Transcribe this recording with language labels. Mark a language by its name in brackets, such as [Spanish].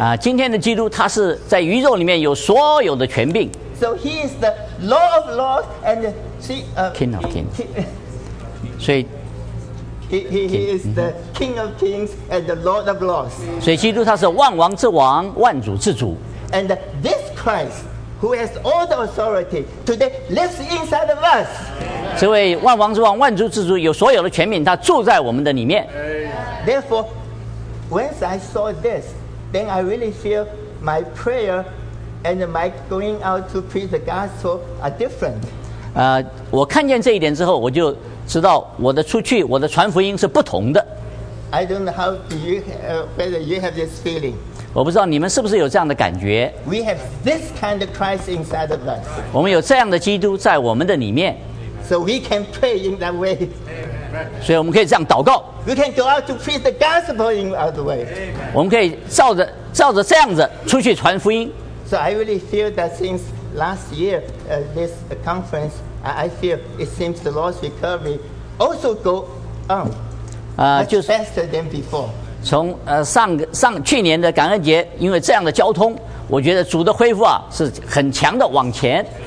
[Chinese] 今天的基督他是在宇宙里面有所有的权柄。 [English] So he is the Lord of Lords and King of Kings. So he is the King of Kings and the Lord of Lords. [Chinese] 所以基督他是万王之王，万主之主。 [English] And this Christ. Who has all the authority today lives inside of us? [Chinese] 这位万王之王、万主之主有所有的权柄，他住在我们的里面。 [English] Therefore, once I saw this, then I really feel my prayer and my going out to preach the gospel are different. [Chinese] 我看见这一点之后，我就知道我的出去、我的传福音是不同的。 [English] I don't know how do you whether you have this feeling. [Chinese] 我不知道你们是不是有这样的感觉。 [English] We have this kind of Christ inside of us. [Chinese] 我们有这样的基督在我们的里面。 [English] So we can pray in that way. [Chinese] 所以我们可以这样祷告。 [English] We can go out to preach the gospel in other way. [Chinese] 我们可以照着这样子出去传福音。 [English] So I really feel that since last year, this conference, I feel it seems the Lord's recovery also go on much faster than before. [Chinese] 从去年的感恩节，因为这样的交通，我觉得主的恢复啊是很强的往前。